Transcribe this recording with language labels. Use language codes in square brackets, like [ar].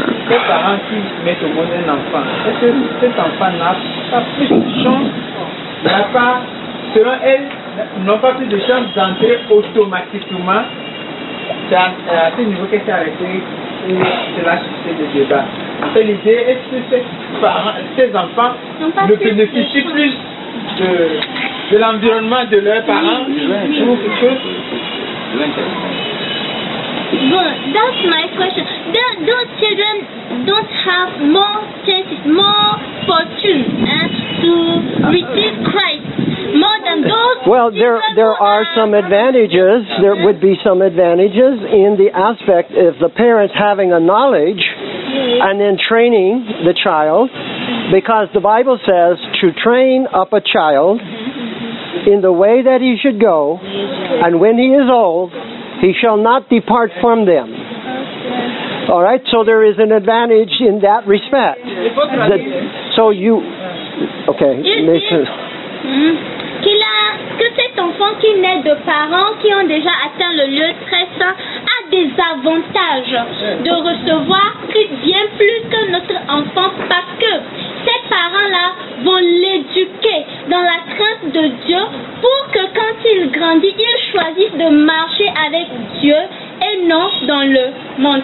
[fr] Les parents qui mettent au monde un enfant, est-ce que cet enfant n'a pas plus de chance, n'a pas, selon elle, n'ont pas plus de chance d'entrer automatiquement à ce niveau qu'elle s'est arrêtée ou de la société de débat. En fait, l'idée, est-ce que ces enfants ne bénéficient plus de l'environnement de leurs parents ou autre chose? [en] Well, that's my question. Those children don't have more chances, more fortune to receive Christ, more than those. Well, there are some advantages. There would be some advantages in the aspect of the parents having a knowledge and then training the child. Because the Bible says to train up a child in the way that he should go, and when he is old, he shall not depart from them. All right, so there is an advantage in that respect. That, so you, okay, listen. [fr] Qu'il a, que cet enfant qui naît de parents qui ont déjà atteint le lieu très saint a des avantages de recevoir bien plus que notre enfant parce que ses parents-là vont l'éduquer dans la crainte de Dieu pour que quand il grandit, il choisisse de marcher avec Dieu et non dans le monde.